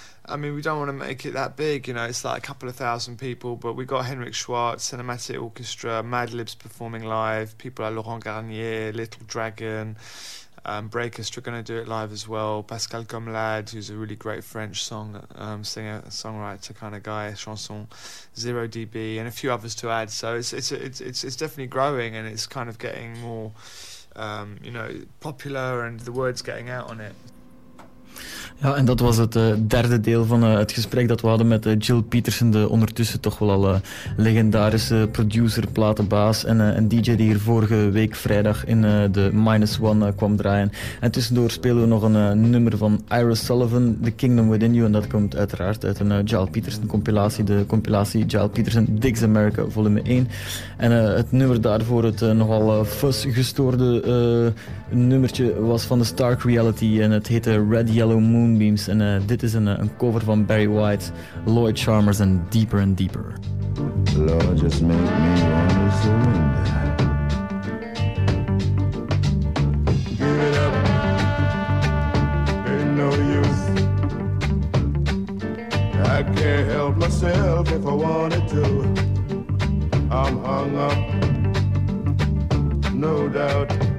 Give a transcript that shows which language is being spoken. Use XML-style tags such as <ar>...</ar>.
<en>I mean, we don't want to make it that big, you know. It's like a couple of thousand people, but we've got Henrik Schwartz, Cinematic Orchestra, Mad Libs performing live, people like Laurent Garnier, Little Dragon, Breakers are going to do it live as well, Pascal Gomelad, who's a really great French singer, songwriter kind of guy, Chanson, Zero DB, and a few others to add. So it's definitely growing, and it's kind of getting more, you know, popular, and the word's getting out on it.</en> <nl>Ja, en dat was het derde deel van het gesprek dat we hadden met Jill Petersen, de ondertussen toch wel al legendarische producer, platenbaas en een DJ die hier vorige week vrijdag in de Minus One kwam draaien. En tussendoor spelen we nog een nummer van Ira Sullivan, The Kingdom Within You, en dat komt uiteraard uit een Jill Petersen compilatie, de compilatie Jill Petersen Digs America volume 1. En het nummer daarvoor, het nogal fuzz gestoorde nummertje, was van de Stark Reality en het heette Red Yellow Moonbeams, en dit is een cover van Barry White, Lloyd Charmers en Deeper and Deeper.</nl> <en>Lord, just make me want to surrender. Give it up, ain't no use. I can't help myself if I wanted to. I'm hung up, no doubt.</en>